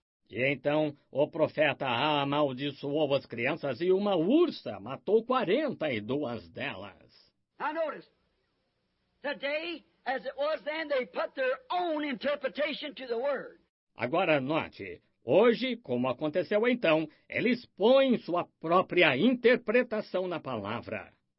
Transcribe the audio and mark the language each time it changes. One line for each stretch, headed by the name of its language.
Portuguese: E então o profeta amaldiçoou as crianças e uma ursa matou 42 delas.
English: Now notice, today, as it was then, they put their own interpretation to the word.
Portuguese: Agora note. Hoje, como aconteceu então, eles põem sua própria interpretação na palavra.